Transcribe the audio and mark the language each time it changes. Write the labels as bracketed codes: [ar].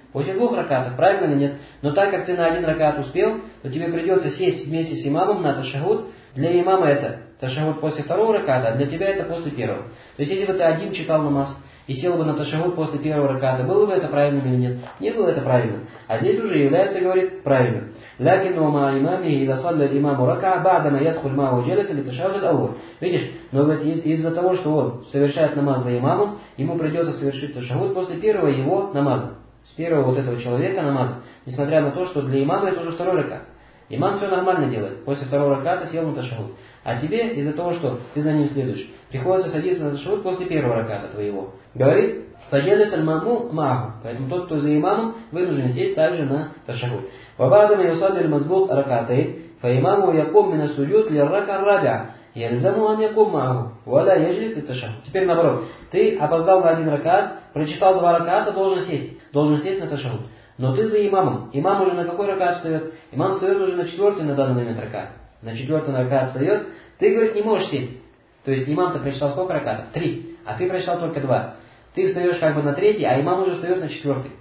[ru] После двух ракатов, правильно или нет? Но так как ты на один ракат успел, то тебе придется сесть вместе с имамом на ташагуд. Для имама это ташагуд после второго раката, а для тебя это после первого. То есть если бы ты один читал намаз и сел бы на ташагуд после первого раката, было бы это правильным или нет? Не было это правильным. А здесь уже является, говорит, правильным. [ar] لكن ومع إمامه إذا صلى الإمام ركعة بعدما يدخل معه وجلس للتشهد الأول. [ru] Видишь, но ведь из-за того, что он совершает намаз за имамом, ему придется совершить тошахуд после первого его намаза, с первого вот этого человека намаза, несмотря на то, что для имама это уже второй ракат. Имам все нормально делает, после второго раката сел на тошахуд. А тебе, из-за того, что ты за ним следуешь, приходится садиться на тошахуд после первого раката твоего. Говорит, [ar] فجلس المأموم معه. [ru] Поэтому тот, кто за имамом, вынужден сесть также на тошахуд. [ar] وبعدما يصلي المسبوق ركعتين فإمامه يقوم من السجود للركعة الرابعة يلزم أن يقوم معه ولا يجلس للتشهد. [ru] Теперь наоборот. Ты опоздал на один ракат, прочитал два раката, должен сесть на тошахуд. Но ты за имамом. Имам уже на какой ракат встает? Имам встает уже на четвертый на данный момент ракат. На четвертый ракат встает. Ты, говорит, не можешь сесть. То есть имам-то прочитал сколько ракатов? Три. А ты прочитал только два. Ты встаешь как бы на третий, а имам уже встает на четвертый.